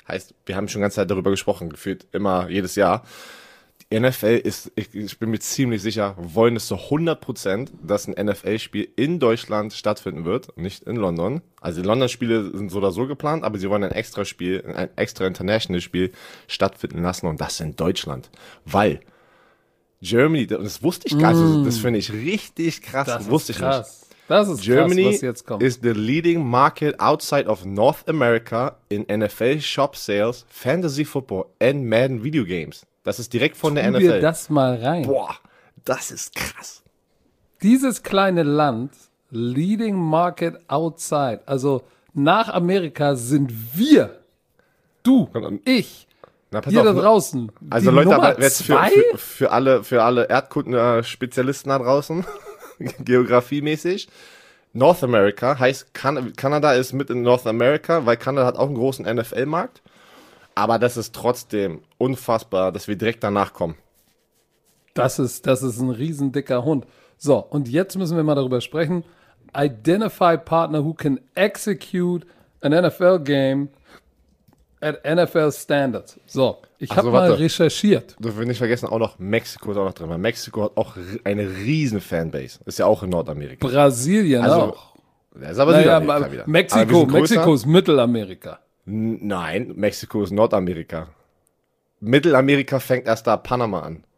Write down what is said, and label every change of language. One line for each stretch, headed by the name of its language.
German: Heißt, wir haben schon ganze Zeit darüber gesprochen, gefühlt immer jedes Jahr. Die NFL ist, ich bin mir ziemlich sicher, wollen es so 100%, dass ein NFL-Spiel in Deutschland stattfinden wird, nicht in London. Also die London-Spiele sind so oder so geplant, aber sie wollen ein extra Spiel, ein extra International-Spiel stattfinden lassen und das in Deutschland, weil Germany, das wusste ich gar nicht, das finde ich richtig krass, das wusste ich krass. Nicht. Das ist Germany krass, was jetzt kommt.
English: Germany is the leading market outside of North America in NFL Shop Sales, Fantasy Football and Madden Video Games.
German: Das ist direkt von der NFL. Tun wir das mal rein. Boah, das ist krass. Dieses kleine Land,
English: leading market outside,
German: also nach Amerika sind wir, du, ich, na, pass hier auf, da draußen. Also die Leute, Nummer aber jetzt für alle Erdkunden-Spezialisten da draußen, geografiemäßig. North America heißt Kanada ist mit in North America, weil Kanada hat auch einen großen NFL-Markt. Aber das ist trotzdem unfassbar, dass wir direkt danach kommen. Das ist ein riesen dicker Hund. So, und jetzt müssen wir mal darüber sprechen.
English: Identify partner who can execute an NFL game. At NFL Standards.
German: So, ich habe mal recherchiert. Du wirst nicht vergessen, auch noch Mexiko ist auch noch drin. Weil Mexiko hat auch eine riesen Fanbase. Ist ja auch in Nordamerika. Brasilien also, auch. Das ist aber naja, Südamerika aber, wieder. Mexiko ist Mittelamerika. Nein, Mexiko ist Nordamerika. Mittelamerika fängt erst da Panama an.